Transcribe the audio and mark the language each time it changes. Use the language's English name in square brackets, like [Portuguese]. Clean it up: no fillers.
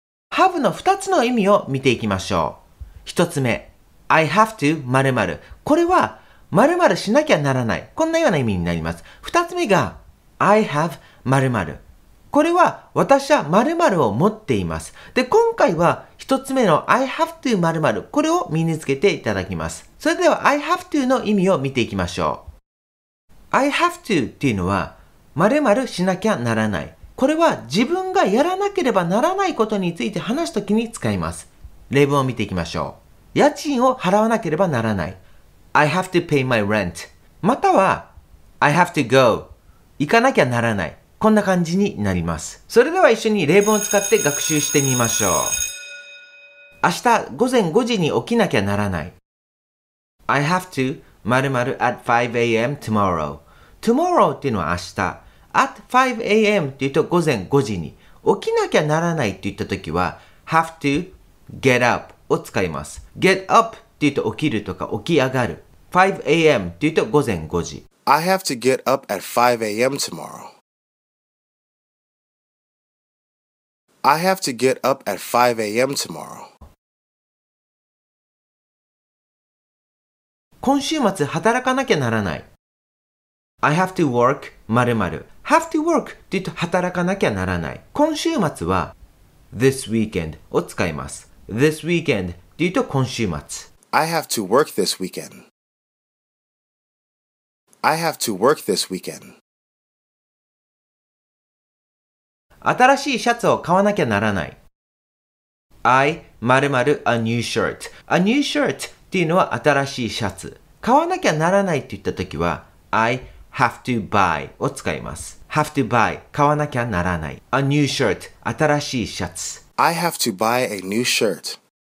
[Japanese] have の2つの意味を見ていきましょう。 [English] 1つ目、I have to 〇〇。 [Japanese] これは〇〇しなきゃならない。こんなような意味になります。 2つ目が、 [English] I have 〇〇。 [Japanese] これは私は〇〇を持っています。で、今回は1つ目の [English] I have to 〇〇。 [Japanese] これを身につけていただきます。それでは [English] I have to [Japanese] の意味を見ていきましょう。 [English] I have to [Japanese] っていうのは、〇〇しなきゃならない。これは自分がやらなければならないことについて話すときに使います。例文を見ていきましょう。家賃を払わなければならない。 [English] I have to pay my rent. または、I have to go. [Japanese] 行かなきゃならない。こんな感じになります。それでは一緒に例文を使って学習してみましょう。明日午前5時に起きなきゃならない。 [English] I have to 〇〇 at 5 a.m. tomorrow. [Japanese] Tomorrow っていうのは明日。 [English] at 5 a.m. [Japanese] って言うと午前5時に。起きなきゃならないって言ったときは、 [English] have to get up [Japanese] を使います。 [English] get up [Japanese] って言うと起きるとか起き上がる。 5 a.m. って言うと午前5時。 [English] I have to get up at 5 a.m. tomorrow. I have to get up at 5 a.m. tomorrow. [Japanese] 今週末働かなきゃならない。 [English] I have to work [Japanese] 〇〇 Have to work って言うと働かなきゃならない。今週末は [English] This weekend [Japanese] を使います。 [English] This weekend [Japanese] って言うと今週末。 [English] I have to work this weekend. I have to work this weekend. [Japanese] 新しいシャツを買わなきゃならない。 [English] I 〇〇 a new shirt. A new shirt [Japanese] っていうのは新しいシャツ。買わなきゃならないって言った時は [English] I have to buy [Japanese] を使います。 [English] have to buy [Japanese] 買わなきゃならない。 [English] a new shirt [Japanese] 新しいシャツ。 [English] I have to buy a new shirt.